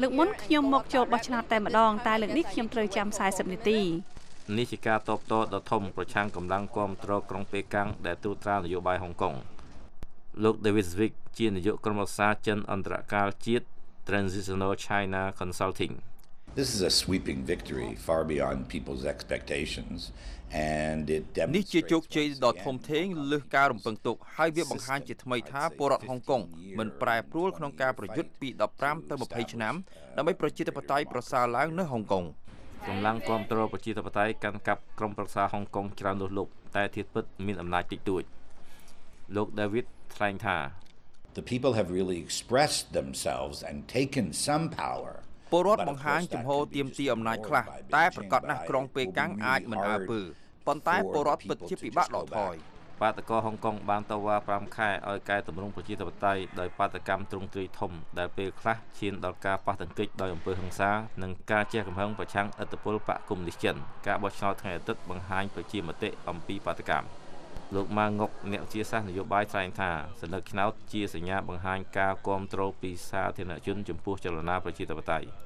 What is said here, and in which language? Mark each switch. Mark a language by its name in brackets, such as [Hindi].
[Khmer] លើកមុនខ្ញុំមកចូលបោះឆ្នោតតែម្ដងតែលើកនេះខ្ញុំត្រូវចាំ40នាទី នេះជាការតបតដល់ធំប្រឆាំងកម្លាំងគាំទ្រក្រុងប៉េកាំងដែលទូតត្រានយោបាយហុងកុងលោក David Swick ជានាយកក្រុមប្រឹក្សាចិនអន្តរការជាតិ Transitional China Consulting [English] This is a sweeping victory far beyond people's expectations and it demonstrates [Khmer] នេះជាជោគជ័យដ៏ធំធេងលើការរំពឹងទុកហើយវាបង្ហាញជាថ្មីថាពលរដ្ឋហុងកុងមិនប្រែប្រួលក្នុងការប្រយុទ្ធពី15ទៅ20ឆ្នាំដើម្បីប្រជាធិបតេយ្យប្រសើរឡើងនៅហុងកុង កម្លាំងគាំទ្រប្រជាធិបតេយ្យកាន់កាប់ក្រុមប្រឹក្សាហុងកុងច្រើនលើសលប់តែធៀបពិតមានអំណាចតិចតួចលោក David ថ្លែងថា [English] The people have really expressed themselves and taken some power [Khmer] ពលរដ្ឋបង្ហាញចំហទាមទារអំណាចខ្លះតែប្រកាសណាស់ក្រុងប៉េកាំងអាចមិនអើពើប៉ុន្តែពលរដ្ឋពិតជាពិបាកដកថយ បាតុករហុងកុងបានតវ៉ា5ខែឲ្យកែតម្រង់ប្រជាធិបតេយ្យដោយបាតកម្មទ្រង់ទ្រាយធំដែលពេលខ្លះឈានដល់ការប៉ះទង្គិចដោយអំពើហិង្សានិងការចេះកំហឹងប្រឆាំងឥទ្ធិពលបកគុំនិស្ចិនការបោះឆ្នោតថ្ងៃអាទិត្យបង្ហាញប្រជាមតិអំពីបាតកម្មលោកម៉ាងុកអ្នកជាសាស្ត្រនយោបាយថ្លែងថាសន្លឹកឆ្នោតជាសញ្ញាបង្ហាញការគ្រប់គ្រងពីសាធារណជនចំពោះចលនាប្រជាធិបតេយ្យ